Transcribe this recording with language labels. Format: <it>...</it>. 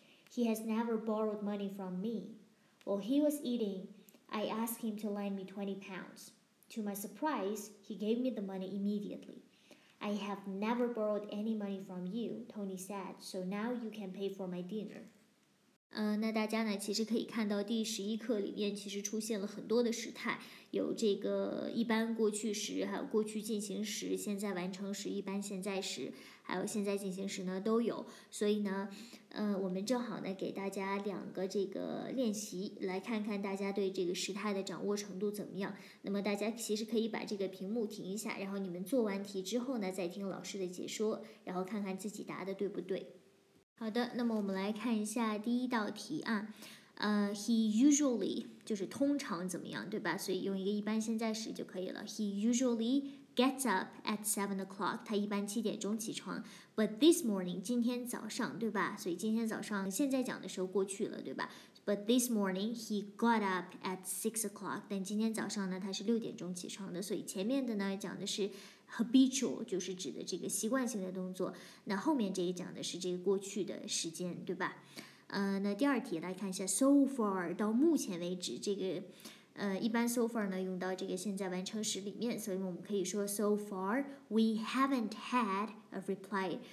<en>He has never borrowed money from me. While he was eating, I asked him to lend me 20 pounds. To my surprise, he gave me the money immediately. I have never borrowed any money from you, Tony said, so now you can pay for my dinner.</en> <zh>那大家呢其实可以看到第十一课里面其实出现了很多的时态有这个一般过去时还有过去进行时现在完成时一般现在时还有现在进行时呢都有所以呢我们正好呢给大家两个这个练习来看看大家对这个时态的掌握程度怎么样那么大家其实可以把这个屏幕停一下然后你们做完题之后呢再听老师的解说然后看看自己答的对不对好的那么我们来看一下第一道题啊</zh> <en>He usually</en> <zh>就是通常怎么样，对吧？所以用一个一般现在时就可以了。</zh> <en>He usually gets up at 7 o'clock.</en> <zh>他一般七点钟起床。</zh> <en>But this morning,</en> <zh>今天早上，对吧？所以今天早上现在讲的时候过去了，对吧？</zh> <en>But this morning he got up at 6 o'clock.</en> <zh>但今天早上呢，他是六点钟起床的。所以前面的呢讲的是 habitual， 就是指的这个习惯性的动作。那后面这个讲的是这个过去的时间，对吧？那第二题来看一下 ，so far 到目前为止，这个一般 so far 呢用到这个现在完成时里面，所以我们可以说</zh> <en>so far we haven't had a reply。</en>